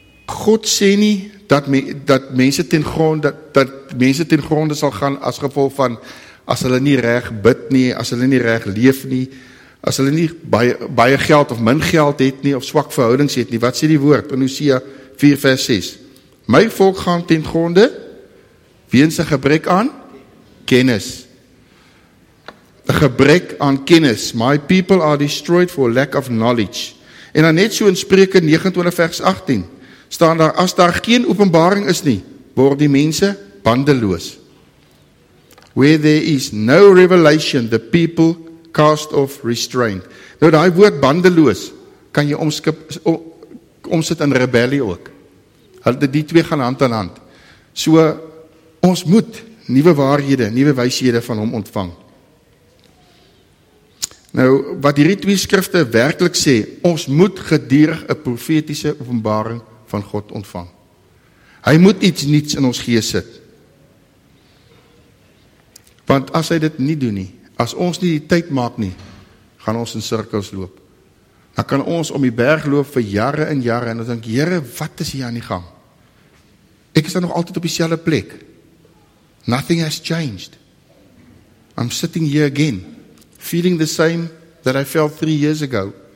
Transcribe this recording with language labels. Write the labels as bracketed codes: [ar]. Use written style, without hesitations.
[af] God sê nie dat mense ten gronde sal gaan as gevolg van as hulle nie reg bid nie, as hulle nie reg leef nie, as hulle nie baie geld of min geld het nie, of swak verhoudings het nie. Wat sê die woord in Hosea 4 vers 6? My volk gaan ten gronde weens 'n gebrek aan kennis. 'n Gebrek aan kennis. [en] My people are destroyed for lack of knowledge. [af] En dan net so in Spreuke 29 vers 18 staan daar, as daar geen openbaring is nie, word die mense bandeloos. [en] Where there is no revelation, the people cast off restraint. [af] Nou die woord bandeloos, kan jy omsit in rebellie ook. Die twee gaan hand aan hand. So, ons moet nuwe waarhede, nuwe wyshede van hom ontvang. Nou, wat hierdie twee skrifte werklik sê, ons moet gedurig 'n profetiese openbaring van God ontvang. Hy moet iets niets in ons gees sit. Want as hy dit nie doen nie, as ons nie die tyd maak nie, gaan ons in sirkels loop. Dan kan ons om die berg loop vir jare en jare, en ons denk, Here, wat is hier aan die gang? Ek is dan nog altyd op dieselfde plek. [en] Nothing has changed. I'm sitting here again, feeling the same that I felt 3 years ago.